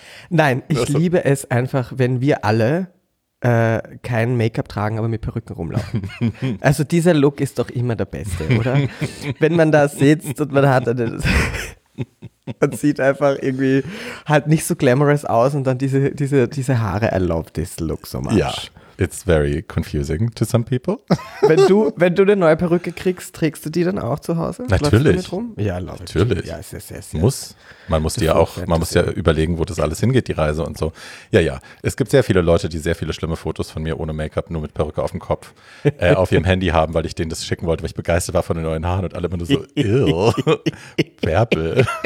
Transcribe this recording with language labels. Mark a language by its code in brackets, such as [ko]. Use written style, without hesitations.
[de] Nein, ich liebe es einfach, wenn wir alle kein Make-up tragen, aber mit Perücken rumlaufen. Also dieser Look ist doch immer der beste, oder? Wenn man da sitzt und man hat eine... Man sieht einfach irgendwie halt nicht so glamorous aus und dann diese Haare, [en] I love this look so much. Ja, yeah, it's very confusing to some people. [de] Wenn du eine neue Perücke kriegst, trägst du die dann auch zu Hause? Natürlich. Rum? Ja, [en] I love [de] natürlich. [en] Ja, yes, yes, yes. [de] Man muss ja überlegen, wo das alles hingeht, die Reise und so. Ja, ja. Es gibt sehr viele Leute, die sehr viele schlimme Fotos von mir ohne Make-up, nur mit Perücke auf dem Kopf, auf ihrem Handy haben, weil ich denen das schicken wollte, weil ich begeistert war von den neuen Haaren und alle immer nur so, ew, Werbel.